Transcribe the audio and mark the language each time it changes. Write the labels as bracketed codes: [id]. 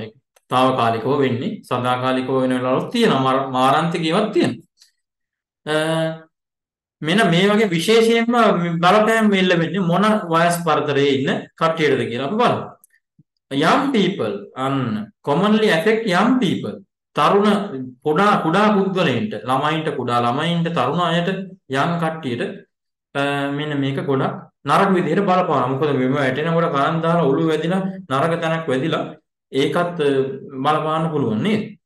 [si] ඒක తాවකාලිකව වෙන්නේ, සදාකාලිකව වෙන වෙලාවලත් තියෙනවා, මාරාන්තිකවත් තියෙනවා. මෙන්න මේ වගේ විශේෂයෙන්ම බලපෑම් වෙල්ල වෙන්නේ මොන වයස් පරතරයේ ඉන්න කට්ටියටද කියලා අපි බලමු. [en] Young people, commonly affect young people. [si] තරුණ පොඩා කුඩා පුද්ගලයන්ට, ළමයින්ට, කුඩා ළමයින්ට, තරුණ අයට, young කට්ටියට මෙන්න මේක ගොඩක් නරක විදිහට බලපානවා. මොකද මෙම වැටෙනකොට කලන් දාලා ඔළුව වැදිලා නරක තැනක් වැදිලා ඒකත් බලපාන්න පුළුවන් නේද?